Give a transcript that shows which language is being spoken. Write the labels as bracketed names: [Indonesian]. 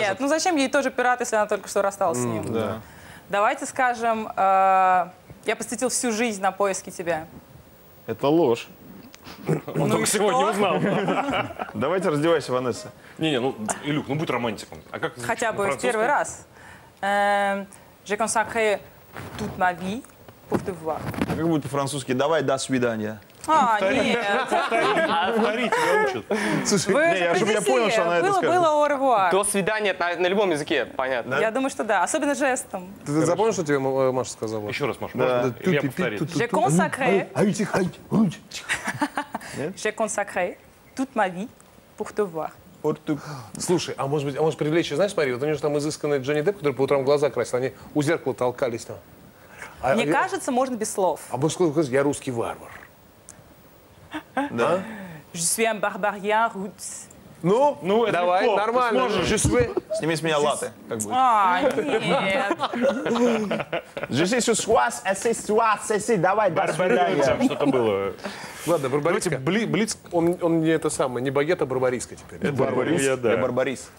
[Russian] Нет, ну зачем ей тоже пират, если она только что рассталась с ним? Да. Давайте скажем, я посвятил всю жизнь на поиски тебя. Это ложь. Он только сегодня узнал. Давайте раздевайся, Ванесса. Не-не, ну, Илюк, ну будь романтиком. А как? Хотя бы в первый раз. [French] Je consacre toute ma vie pour te voir. [Russian] Как будет по-французски? Давай, до свидания. А, нет. Повторите, я учат. Слушай, чтобы я понял, что она это скажет. Было [French] au revoir. [Russian] До свидания на любом языке, понятно. Я думаю, что да, особенно жестом. Ты запомнил, что тебе Маша сказала? Еще раз, Маша, можно? Или я повторю? [French] Je consacre... [Russian] Ай, тихо, ай, руч. [French] Je consacre toute ma vie pour te voir. [Russian] Слушай, а может быть, а может привлечь, знаешь, смотри, вот у него же там изысканный Джонни Депп, который по утрам глаза красил, они у зеркала толкались там. Мне кажется, можно без слов. А бы сказал, я русский варвар. Да? [French] Je suis un barbarien russe. [Russian] Ну, ну это давай, легко, нормально. [French] Je suis... [Russian] Сними с меня латы, как будет. А, нет. Je suis sur вас, assez, давай, до свидания. Что-то было. Ладно, барбариска. Давайте, блиц, он не это самое, не багет, а барбариска теперь. Это барбарис, я, да. Я барбарис.